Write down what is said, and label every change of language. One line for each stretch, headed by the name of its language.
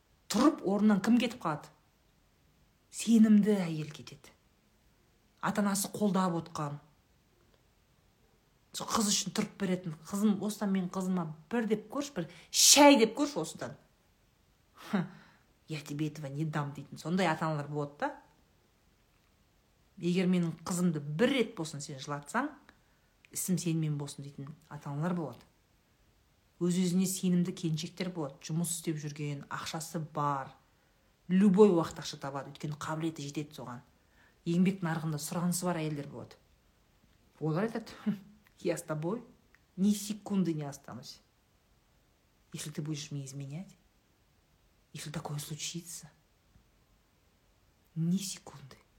Kazakh: Тұрып орнынан кім кетіп қалады? Сенімді әйел кетеді. Ата-анасы қолдап отқан. Қыз үшін тұрып беретін. Қызым, осыдан мен қызыма бір деп көрші, бір шай деп көрші осыдан.
Russian: Я тебе этого не дам дейтін.
Kazakh: Сондай атаналар болады да. егер менің қызымды бір рет болсын сен жылатсаң, ісім сенімен болсын дейтін ата-аналар болады. Өз-өзіне сенімді келіншектер болады. Жұмыс істеп жүрген, ақшасы бар. Любой уақыт ақша табады, өйткені қабілеті жетеді соған. Еңбек нарығында сұранысы бар әйелдер болады. Олар айтады,
Russian: я с тобой ни секунды не останусь. Если ты будешь меня изменять, если такое случится, ни секунды.